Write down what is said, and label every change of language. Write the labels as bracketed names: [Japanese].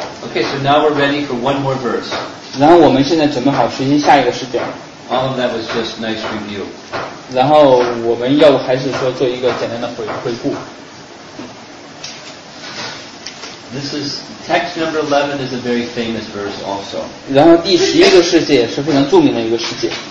[English] Okay, so now we're ready for one more verse. [Chinese] 然后我们现在准备好学习下一个诗节。 [English] All of that was just nice review. [Chinese] 然后我们要还是说做一个简单的回顾。 [English] This is text number 11 is a very famous verse also. [Chinese] 然后第十一个诗节也是非常著名的一个诗节。